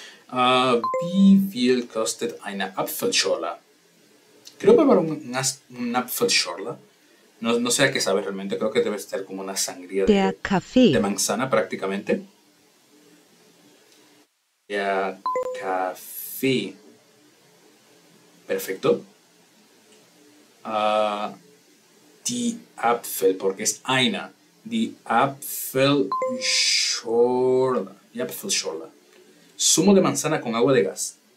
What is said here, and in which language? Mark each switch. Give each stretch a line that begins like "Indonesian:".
German: Wie viel kostet eine Apfelschorle?
Spanish: Creo que probar un Apfelschorle. No, no sé a qué sabe realmente. Creo que debe ser como una sangría de manzana prácticamente.
German: Der Kaffee. Perfecto. Die Apfel,
Spanish: porque es eine.
German: Die Apfelschorle. Die Apfelschorle.
Spanish: Zumo de manzana con agua de gas.